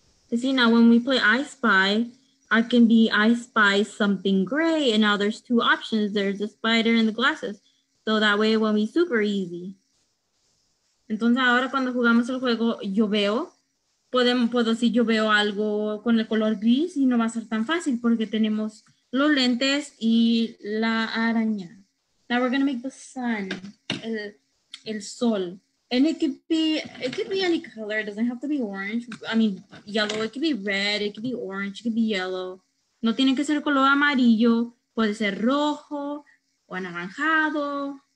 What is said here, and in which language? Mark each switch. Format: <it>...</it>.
<en>You see, now when we play I Spy, I can be I Spy something gray, and now there's two options. There's the spider and the glasses. So that way it will be super easy.</en> <es>Entonces ahora cuando jugamos el juego, yo veo. Puedo decir yo veo algo con el color gris y no va a ser tan fácil porque tenemos los lentes y la araña.</es> <en>Now we're going to make the sun,</en> <es>el sol.</es> <en>And it could be any color. It doesn't have to be orange. I mean, yellow. It could be red. It could be orange. It could be yellow.</en> <es>No tiene que ser color amarillo. Puede ser rojo o anaranjado.</es>